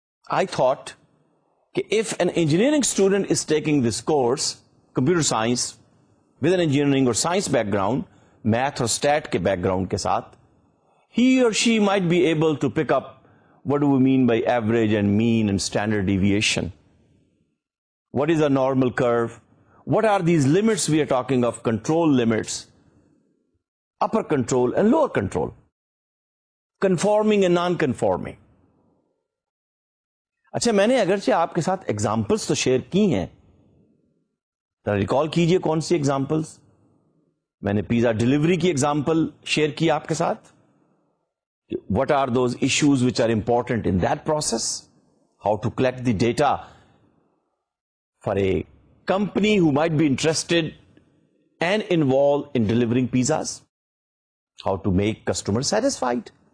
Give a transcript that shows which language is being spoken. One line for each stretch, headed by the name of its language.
English: I thought کہ F an engineering student is taking this course computer science with an engineering اور science back ground, math اور state
Urdu: کے back ground کے ساتھ,
English: ہی اور she might be able to pick up what do we mean by average and main and standard deviation. What is a normal curve? What are these limits we are talking of? Control limits, upper control and lower control, conforming and non-conforming.
Urdu: اچھا میں نے اگرچہ آپ کے ساتھ examples تو share کی ہیں, ذرا recall کیجئے کون سی examples. میں نے pizza delivery کی example share کی آپ کے ساتھ.
English: What are those issues which are important in that process? How to collect the data for a company who might be interested and involved in delivering pizzas, how to make customer satisfied.